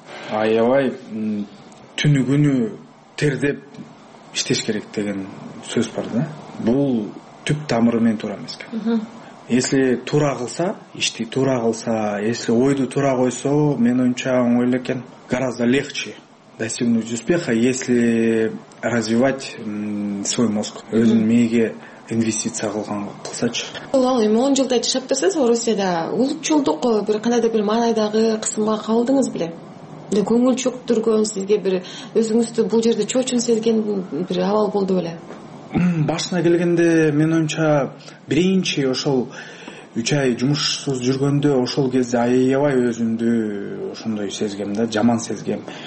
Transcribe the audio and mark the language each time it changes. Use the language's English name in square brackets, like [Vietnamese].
[Kyrgyz] Аябай түнү күнү тердеп иштеш керек деген сөз бар да. Бул түп тамыры менен туура эмес экен. Если туура кылса, ишти туура кылса, если ойду туура койсо, менин оюмча оңой эле экен. [Russian] Гораздо легче достигнуть успеха, если развивать свой мозг. [Kyrgyz] Өзүн мээге инвестиция кылсачы. Ал эми 10 жылдай жашап турсаңыз, Орусияда улутчулдук бир кандайдыр бир маанайдагы кысымга кабылдыңыз беле? Көңүлчүк түргөн сизге бир өзүңүздү бул жерде чочун сезген бир абал болду беле? Башына келгенде менин оюмча биринчи ошол 3 ай жумушсуз жүргөндө ошол кезде аябай өзүмдү ошондой сезгем да, жаман сезгем.